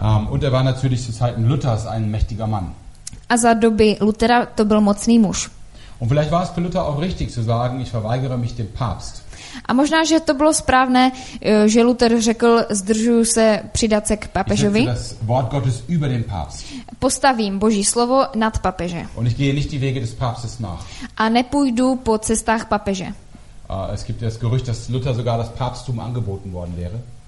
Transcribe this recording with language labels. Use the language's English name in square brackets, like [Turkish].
[German] Und er war natürlich zu Zeiten Luthers ein mächtiger Mann. [Czech] A za doby Luthera to byl mocný muž. [German] Und vielleicht war es für Luther auch richtig zu sagen, ich verweigere mich dem Papst. [Czech] A možná, že to bylo správné, že Luther řekl, zdržuju se přidat se k papežovi. [German] Ich setze das Wort Gottes über den Papst. [Czech] Postavím Boží slovo nad papeže. [German] Und ich gehe nicht die Wege des Papstes nach. [Czech] A nepůjdu po cestách papeže. [German] Es gibt das Gerücht, dass Luther sogar das Papsttum angeboten worden wäre.